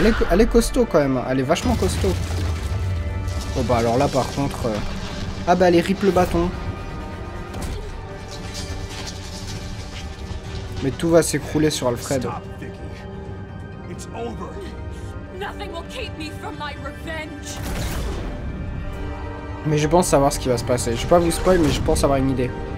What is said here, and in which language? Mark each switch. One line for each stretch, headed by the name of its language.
French: Elle est costaud quand même, elle est vachement costaud. Oh bah alors là par contre... Ah bah elle rip le bâton. Mais tout va s'écrouler sur Alfred.
English: Stop, Vicky. It's over. Nothing will keep me from my revenge.
French: Mais je pense savoir ce qui va se passer. Je vais pas vous spoil, mais je pense avoir une idée.